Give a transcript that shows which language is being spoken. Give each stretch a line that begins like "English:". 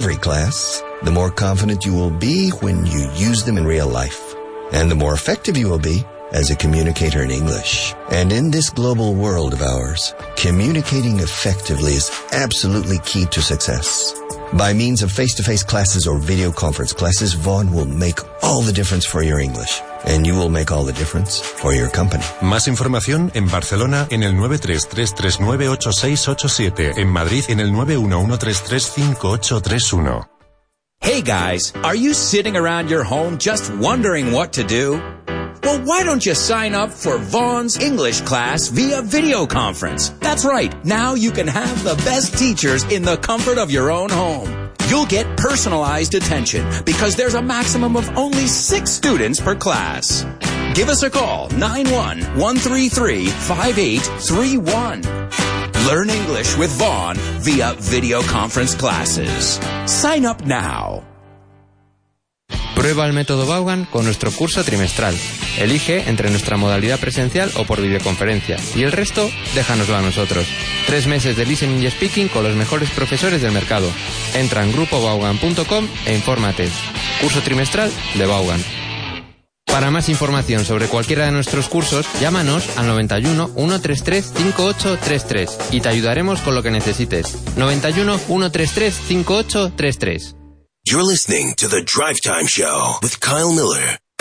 English: every class, the more confident you will be when you use them in real life, and the more effective you will be as a communicator in English. And in this global world of ours, communicating effectively is absolutely key to success. By means of face-to-face classes or video conference classes, Vaughn will make all the difference for your English. And you will make all the difference for your company.
Spanish: Más información en Barcelona en el 933398687. En Madrid en el 911335831.
English: Hey guys, are you sitting around your home just wondering what to do? Well, why don't you sign up for Vaughn's English class via video conference? That's right, now you can have the best teachers in the comfort of your own home. You'll get personalized attention because there's a maximum of only 6 students per class. Give us a call, 91-133-5831. Learn English with Vaughn via video conference classes. Sign up now.
Spanish: Prueba el método Vaughan con nuestro curso trimestral. Elige entre nuestra modalidad presencial o por videoconferencia. Y el resto, déjanoslo a nosotros. 3 meses de listening y speaking con los mejores profesores del mercado. Entra en grupovaughan.com e infórmate. Curso trimestral de Vaughan. Para más información sobre cualquiera de nuestros cursos, llámanos al 91-133-5833 y te ayudaremos con lo que necesites. 91-133-5833.
English: You're listening to The Drive Time Show with Kyle Miller.